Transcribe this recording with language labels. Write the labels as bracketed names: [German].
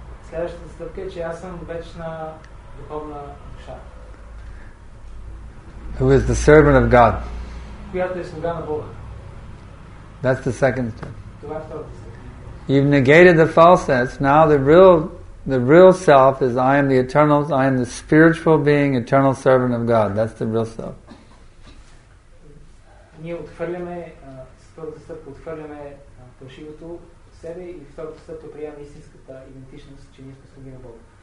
[Bulgarian] Следващата стъпка е, че аз съм вечна духовна душа. [English] Who is the servant of God? [Bulgarian] Която е слуга на Бога. [English] That's the second step. [Bulgarian] Това е втората стъпка. [English] You've negated the false sense. Now the real self is I am the eternal, I am the spiritual being, eternal servant of God. That's the real self. [Bulgarian] Ние отхвърляме втората стъпка, отхвърляме фалшивото себе и втората стъпка приема истинската идентичност, че ние сме слуги на Бога.